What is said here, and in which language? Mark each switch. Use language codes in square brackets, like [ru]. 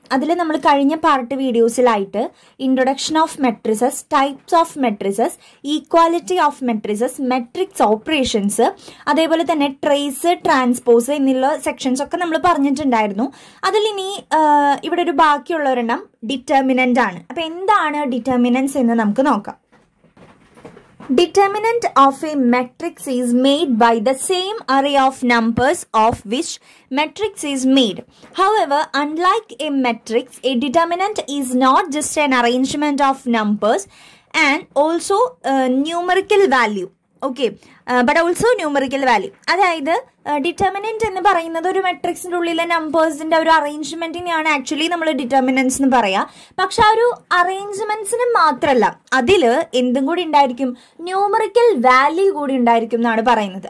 [ml] അതിൽ നമ്മൾ കഴിഞ്ഞ part വീഡിയോസിലായിട്ട് introduction of matrices, types of matrices, equality of matrices, matrix operations, അതേപോലെ തന്നെ ട്രേസ്, ട്രാൻസ്പോസ് എന്നുള്ള സെക്ഷൻസൊക്കെ നമ്മൾ പറഞ്ഞിട്ടുണ്ടായിരുന്നു. അതിലിനി ഇവിടെ ഒരു ബാക്കിയുള്ള ഒരെണ്ണം ഡിറ്റർമിനന്റ് ആണ്. അപ്പൊ എന്താണ് ഡിറ്റർമിനൻസ് എന്ന് നമുക്ക് നോക്കാം. [en] Determinant of a matrix is made by the same array of numbers of which matrix is made. However, unlike a matrix, a determinant is not just an arrangement of numbers and also numerical value. Okay, but also numerical value. [ml] അതായത് determinant എന്ന് പറയുന്നത് ഒരു മെട്രിക്സിൻ്റെ ഉള്ളിലെ നമ്പേഴ്സിൻ്റെ ഒരു അറേഞ്ച്മെന്റിനെയാണ് actually നമ്മൾ determinants എന്ന് പറയുക. പക്ഷെ ആ ഒരു അറേഞ്ച്മെന്റ്സിന് മാത്രമല്ല, അതിൽ എന്തും കൂടി ഉണ്ടായിരിക്കും, ന്യൂമറിക്കൽ വാല്യൂ കൂടി ഉണ്ടായിരിക്കും എന്നാണ് പറയുന്നത്.